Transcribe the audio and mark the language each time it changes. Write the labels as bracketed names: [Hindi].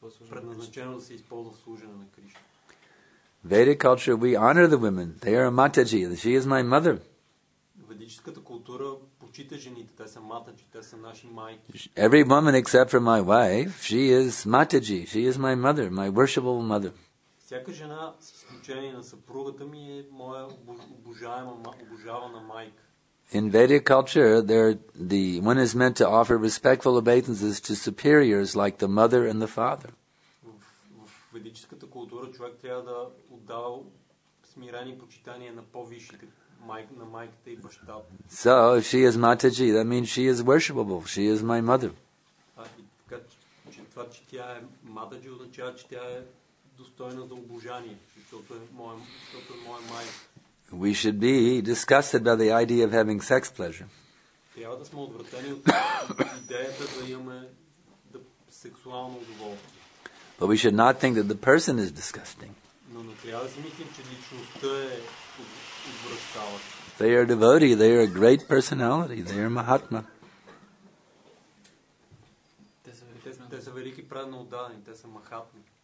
[Bulgarian] Предназначено да се използва в служене на Кришна. [English] Vedic culture, we honor the women. They are Mataji. She is my mother. [Bulgarian] Ведическата култура почита жените. Те са Матаджи. Те са наши майки. [English] Every woman except for my wife, she is Mataji. She is my mother, my worshipable mother. [Bulgarian] Всяка жена, с изключение на съпругата ми, е моя обожавана майка. [English] In Vedic culture, one is meant to offer respectful obeisances to superiors like the mother and the father. [Bulgarian] В ведическата култура човек трябва да отдава смирени почитания на по-висшите, на майката и бащата. [English] So, if she is Mataji, that means she is worshipable. She is my mother. [Bulgarian] Така че това, че тя е Mataji, означава, че тя е достойна за обожание, защото е моя майка. [English] We should be disgusted by the idea of having sex pleasure. [Bulgarian] Трябва да сме отвратени от идеята да имаме сексуално удоволствие. [English] But we should not think that the person is disgusting. [Bulgarian] Но не трябва да си мислим, че личността е отвратителна. [English] They are devotee, they are a great personality, they are mahatma. [Bulgarian] Те са велики, правилно отдадени, те са махатми.